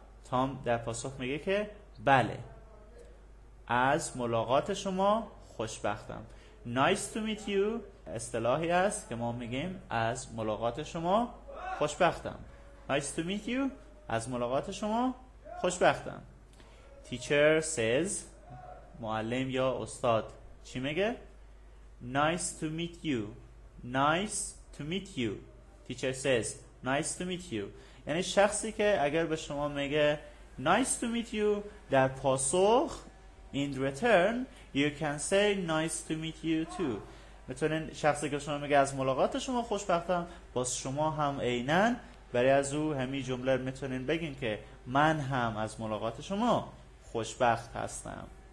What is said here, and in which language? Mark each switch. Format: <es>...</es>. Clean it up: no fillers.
<fa>تام در پاسخ میگه که بله، از ملاقات شما خوشبختم.</fa> <en>Nice to meet you</en> <fa>اصطلاحی است که ما میگیم از ملاقات شما خوشبختم.</fa> <en>Nice to meet you،</en> <fa>از ملاقات شما خوشبختم.</fa> <en>Teacher says،</en> <fa>معلم یا استاد چی میگه؟</fa> <en>Nice to meet you. Nice to meet you. Teacher says nice to meet you.</en> <fa>یعنی شخصی که اگر به شما میگه</fa> <en>nice to meet you،</en> <fa>در پاسخ</fa> <en>in return you can say nice to meet you too.</en> <fa>میتونین شخصی که شما میگه از ملاقات شما خوشبختم، باز شما هم عیناً برای از او همین جمله رو میتونین بگین که من هم از ملاقات شما خوشبخت هستم.</fa>